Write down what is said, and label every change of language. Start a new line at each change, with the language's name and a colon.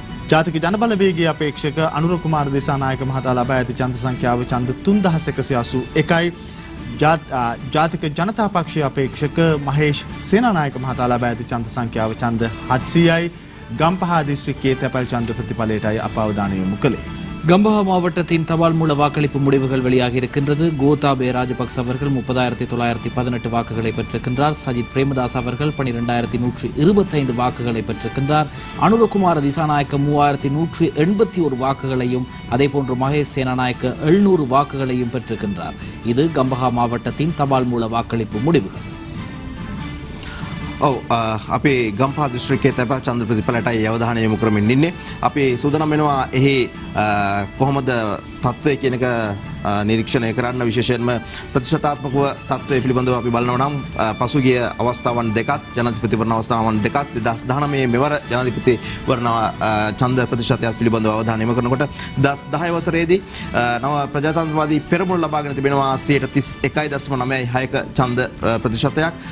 Sinhala: ජාතික ජනබල වේගී අපේක්ෂක අනුර කුමාර දේසානායක මහතා ලබා ඇති ඡන්ද සංඛ්‍යාව ඡන්ද 3181. ජාතික ජනතා පක්ෂයේ අපේක්ෂක මහේෂ් සේනානායක මහතා ලබා ඇති ඡන්ද සංඛ්‍යාව ඡන්ද 700යි. ගම්පහ දිස්ත්‍රික්කයේ තැපැල් ඡන්ද ප්‍රතිඵලයටයි අප අවධානය යොමු කළේ. ගම්පහ
Tamil: මාවට්ටத்தின் தபால் மூல வாக்களிப்பு முடிவுகள் வெளியாக இருக்கின்றது. கோதாபய ராஜபக்ச அவர்கள் 30918 வாக்குகளை பெற்றிருக்கின்றார். சஜித் பிரேமதாஸ் அவர்கள் 12125 வாக்குகளை பெற்றிருக்கின்றார். அனுரகுமார் திசாநாயக்க 3181 வாக்குகளையும் அதேபோன்று மகேஷ் சேனாநாயக்க 700 வாக்குகளையும் பெற்றிருக்கின்றார். இது கம்பஹ மாவட்டத்தின் தபால் மூல வாக்களிப்பு முடிவுகள்.
Sinhala: ඔව් අපේ ගම්පහ දිස්ත්‍රික්කයේ තැපැල් ඡන්ද ප්‍රතිඵලයටයි අවධානය යොමු කරමින් ඉන්නේ. අපි සූදානම් වෙනවා එහි කොහොමද තත්ත්වය කියන එක නිරීක්ෂණය කරන්න. විශේෂයෙන්ම ප්‍රතිශතාත්මකව තත්ත්වය පිළිබඳව අපි බලනවා නම් පසුගිය අවස්ථාවන් දෙකත් ජනාධිපතිවරණ අවස්ථාවන් දෙකත් 2019 මෙවර ජනාධිපතිවරණ ඡන්ද ප්‍රතිශතයත් පිළිබඳව අවධානය යොමු කරනකොට 2010 වසරේදී නව ප්‍රජාතන්ත්‍රවාදී පෙරමුණ ලබාගෙන තිබෙනවා 31.96% ඡන්ද ප්‍රතිශතයක්.